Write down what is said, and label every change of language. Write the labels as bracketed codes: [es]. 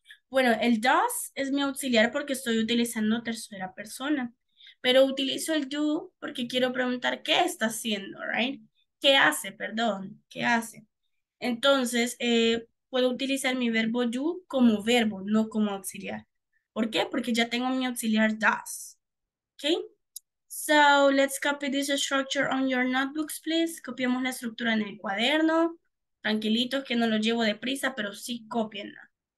[es] Bueno, el does es mi auxiliar porque estoy utilizando tercera persona. Pero utilizo el do porque quiero preguntar qué está haciendo, right? ¿Qué hace, perdón? ¿Qué hace? Entonces, puedo utilizar mi verbo do como verbo, no como auxiliar. ¿Por qué? Porque ya tengo mi auxiliar does. Okay? [en] So, let's copy this structure on your notebooks, please. [es] Copiamos la estructura en el cuaderno. Tranquilitos, que no lo llevo deprisa, pero sí copienla.